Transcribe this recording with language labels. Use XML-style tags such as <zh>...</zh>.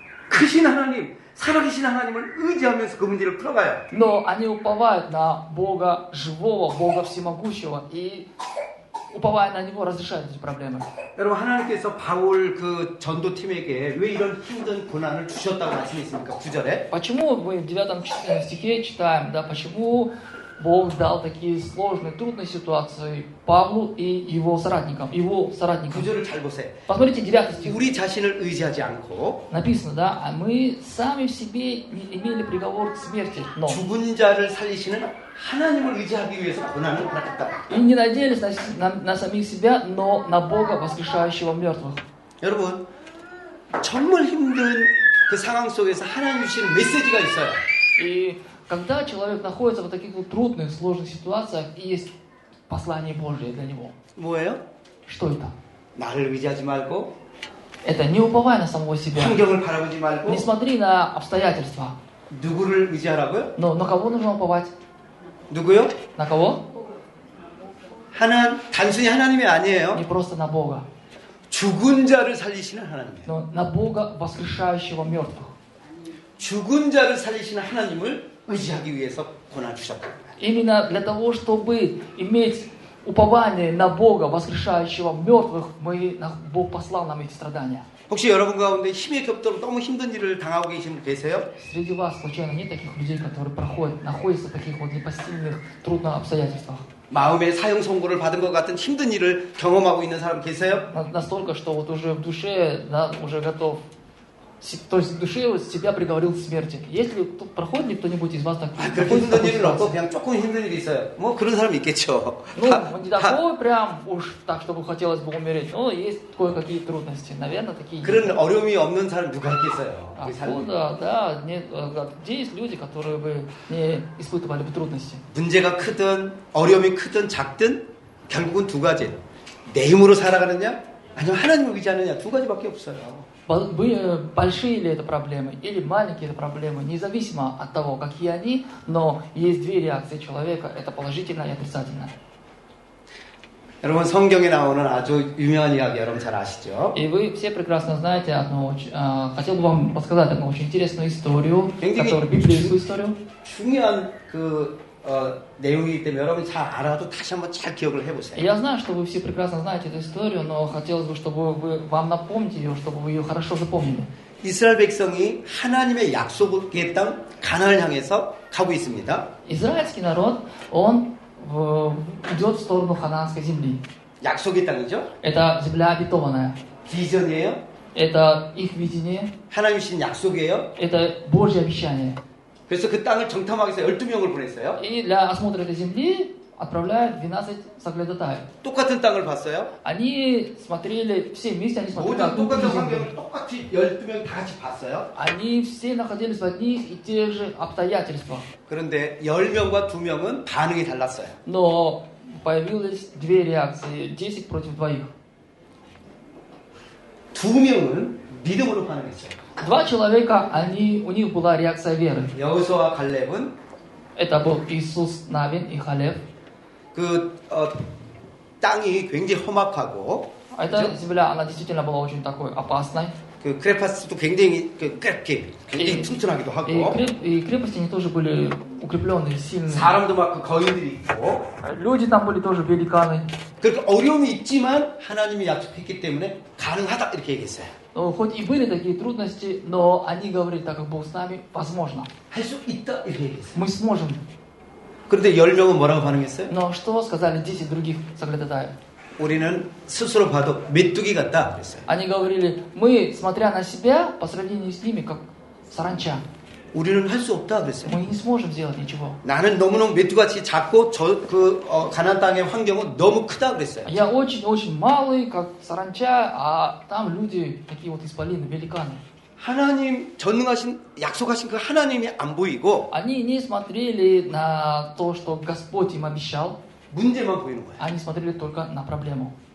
<ko>크신 하나님, 살아계신 하나님을 의지하면서 그 문제를 풀어가요.</ko> <ru>Но они уповают на Бога живого, Бога всемогущего и уповая на него, разрешает эти проблемы.</ru> <ko>여러분, 하나님께서 바울 그 전도팀에게 왜 이런 힘든 고난을 주셨다고 말씀했습니까? 9절에.</ko> <ru>Почему мы в 9 стихе читаем, да, почему Бог дал такие сложные, трудные ситуации Павлу и его соратникам, его соратникам.</ru> <ko>구절을 잘 보세요.</ko> <ru>Посмотрите 9 стих.</ru> <ko>우리 자신을 의지하지 않고.</ko> <ru>Написано, да, а мы сами в себе имели приговор к смерти. Но.</ru> <ko>죽은 자를 살리시는 하나님을 의지하기 위해서 고난을 받았다.</ko> <ru>И не надеялись на самих себя, но на Бога, воскрешающего мертвых.</ru> <ko>여러분, 정말 힘든 그 상황 속에서 하나님 주신 메시지가 있어요.</ko> <ru>И когда человек находится в таких вот трудных, сложных ситуациях, и есть послание Божье для него.</ru> <ko>뭐예요?</ko> <ru>Что это?</ru> <ko>나를 의지하지 말고.</ko> <ru>Это не уповай на самого себя.</ru> <ko>환경을 바라보지 말고.</ko> <ru>Не смотри на обстоятельства.</ru> <ko>누구를 의지하라고요?</ko> <ru>Но на кого нужно уповать?</ru> <ko>누구요?</ko> <ru>На кого?</ru> <ko>하나, 단순히 하나님이 아니에요.</ko> <ru>Не просто на Бога.</ru> <ko>죽은 자를 살리시는 하나님.</ko> <ru>Но на Бога, воскрешающего мертвых.</ru> <ko>죽은 자를 살리시는 하나님을 의지하기 위해서 고난 주셨다.</ko> <ru>Именно для того, чтобы иметь упование на Бога, воскрешающего мертвых, мы Бог послал нам эти страдания.</ru> <ko>혹시 여러분 가운데 힘이 겹도록 너무 힘든 일을 당하고 계신 분 계세요?</ko> <ru>Среди вас случайно нет таких людей, которые проходят, находятся в таких вот непосильных, трудных обстоятельствах?</ru> <ko>마음의 사형 선고를 받은 것 같은 힘든 일을 경험하고 있는 사람 계세요?</ko> <ru>Настолько, что вот уже в душе, да, уже готов. То есть в душе себя приговорил к смерти. Если тут проходит кто-нибудь из вас так...</ru> <ko>아, 그렇게 힘든 일은 없고 그냥 조금 힘든 일이 있어요. 뭐 그런 사람이 있겠죠. 네, 다들</ko> <ru>прям уж так, чтобы хотелось бы умереть. Но есть кое-какие трудности. Наверное, такие...</ru> <ko>그런 어려움이 없는 사람 누가 있겠어요?</ko> <ru>아, да, нет. Где есть люди, которые бы не испытывали бы трудности?</ru> <ko>문제가 크든, 어려움이 크든, 작든, 결국은 두 가지. 내 힘으로 살아가느냐, 아니면 하나님을 의지하느냐, 두 가지밖에 없어요.</ko> <ru>Большие ли это проблемы или маленькие это проблемы, независимо от того, какие они, но есть две реакции человека, это положительное и отрицательное.</ru> <ko>여러분, 성경에 나오는 아주 유명한 이야기 여러분 잘 아시죠?</ko> <ru>И вы все прекрасно знаете одну, хотел бы вам рассказать одну очень интересную историю, которую библейскую историю.</ru> <ko>중요한 그 내용이기 때문에 여러분 잘 알아도 다시 한번 잘 기억을 해보세요.</ko> <ru>Я знаю, что вы все прекрасно знаете эту историю, но хотелось бы, чтобы вы вам напомнить ее, чтобы вы ее хорошо запомнили.</ru> <ko>이스라엘 백성이 하나님의 약속의 땅 가나안을 향해서 가고 있습니다.</ko> <ru>Израильский народ, он идет в сторону ханаанской земли.</ru> <ko>약속의 땅이죠?</ko> <ru>Это земля обетованная.</ru> <ko>비전이에요?</ko> <ru>Это их видение.</ru> <ko>하나님이신 약속이에요?</ko> <ru>Это Божье обещание.</ru> <ko>그래서 그 땅을 정탐하기 위해서 12명을 보냈어요.</ko> <ru>이 для осмотра этой земли отправляют 12 соглядатаев.</ru> <ko>똑같은 땅을 봤어요?</ko> <ru>Они смотрели все вместе, они смотрели.</ru> <ko>모든 똑같은 환경을 똑같이 12명 다 같이 봤어요?</ko> <ru>Они все находились в одних и тех же обстоятельствах.</ru> <ko>그런데 10명과 2명은 반응이 달랐어요.</ko> <ru>Но появились две реакции, 10 против 2.</ru> <ko>두 명은 믿음으로 반응했어요.</ko> <ru>Два человека, они, у них была реакция веры. Иосуа, Халев은, это был Иисус Навин и Халев.</ru> <ko>그, 땅이 굉장히 험악하고,</ko> <ru>эта</ru> <ko>그죠?</ko> <ru>земля она действительно была очень такой опасной.</ru> <ko>그, 크레파스도 굉장히, 그, 크랩게, 굉장히 и, 튼튼하기도 하고.</ko> <ru>И крепости они тоже были укрепленные, сильные.</ru> <ko>사람도 막 그 거인들이 있고.</ko> <ru>Люди там были тоже великаны.</ru> <ko>그렇게 어려움이 있지만 하나님이 약속했기 때문에 가능하다 이렇게 얘기했어요.</ko> <ru>Ну, хоть и были такие трудности, но они говорили, так как Бог с нами, возможно. Мы сможем.</ru> <ko>그런데 10명은 뭐라고 반응했어요?</ko> <ru>Но что сказали 10 других соглядатаев?</ru> <ko>우리는 스스로 봐도 메뚜기 같다 그랬어요.</ko> <ru>Они говорили, мы, смотря на себя, по сравнению с ними, как саранча.</ru> <ko>우리는 할 수 없다 그랬어요.</ko> <ru>Мы не сможем сделать ничего.</ru> <ko>나는 너무너무 메뚜기같이 작고 저 그 가나안 땅의 환경은 너무 크다 그랬어요.</ko> <ru>Я очень-очень малый, как саранча, а там люди такие вот исполины, великаны.</ru> <ko>하나님 전능하신 약속하신 그 하나님이 안 보이고</ko> <ru>они не смотрели на то, что Господь им обещал.</ru> <ko>문제만 보이는 거예요.</ko> <ru>Они смотрели только на проблему.</ru>